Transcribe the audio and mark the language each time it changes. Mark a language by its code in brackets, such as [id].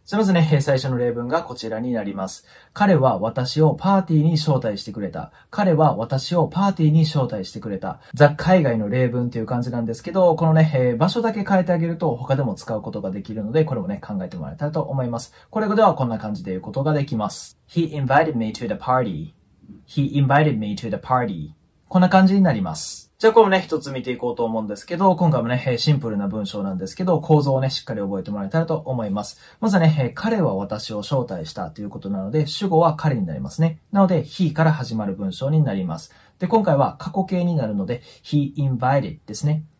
[ja] じゃあまずね、最初の例文がこちらになります。彼は私をパーティーに招待してくれた。彼は私をパーティーに招待してくれた。ザ・海外の例文っていう感じなんですけど、このね、場所だけ変えてあげると他でも使うことができるので、これもね、考えてもらえたらと思います。これではこんな感じで言うことができます。 [en] He invited me to the party. He invited me to the party. [ja] こんな感じになります。じゃあこれもね、一つ見ていこうと思うんですけど、今回もね、シンプルな文章なんですけど、構造をね、しっかり覚えてもらえたらと思います。まずね、彼は私を招待したということなので、主語は彼になりますね。なので、he から始まる文章になります。で、今回は過去形になるので、 [en] he invited [ja] ですね。